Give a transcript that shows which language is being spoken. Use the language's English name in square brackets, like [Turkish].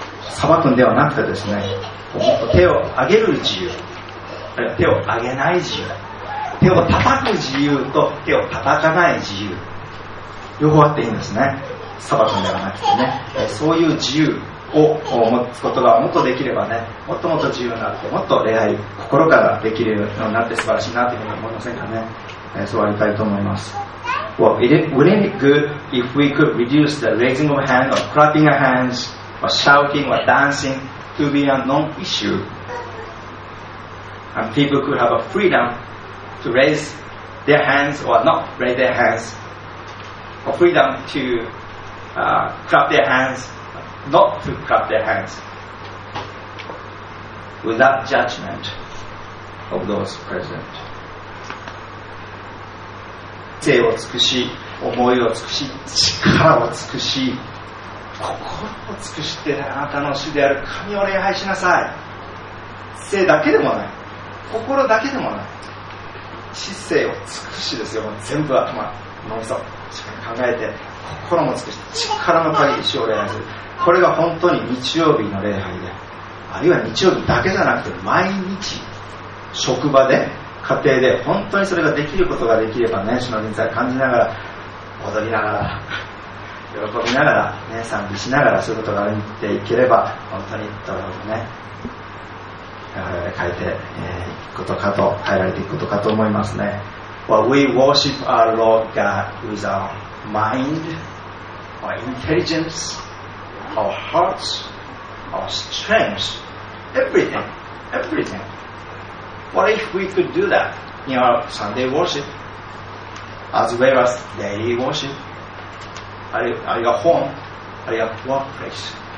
[Japanese] 裁くんではなくてですね、手を挙げる自由、あるいは手を挙げない自由、手を叩く自由と手を叩かない自由、両方あっていいんですね、裁くんではなくてね、そういう自由を持つことがもっとできればね、もっともっと自由になって、もっと礼拝心からできるようになって素晴らしいなというふうに思いませんかね。そうありたいと思います。 [English] Well, wouldn't it good if we could reduce the raising of hands or clapping of hands or shouting or dancing to be a non-issue and people could have a freedom to raise their hands or not raise their hands or freedom to clap their handsNot to clap their hands without judgment of those present. [Japanese] 精を尽くし、思いを尽くし、力を尽くし、心を尽くしてあなたの主である神を礼拝しなさい。精だけでもない、心だけでもない、知性を尽くしですよ。全部頭、脳みそ、しっかり考えて、心も尽くし、力の限り主を礼拝する。これが本当に日曜日の礼拝で、あるいは日曜日だけじゃなくて毎日職場で家庭で本当にそれができることができればね、主の臨在を感じながら踊りながら喜びながら、ね、賛美しながらそういうことができていければ本当にどうね、変えていくことかと、変えられていくことかと思いますね。 [English] Well, We worship our Lord God with our mind our intelligenceOur hearts, our strength, everything, everything. What if we could do that in our Sunday worship, as well as daily worship, at your home, at your workplace?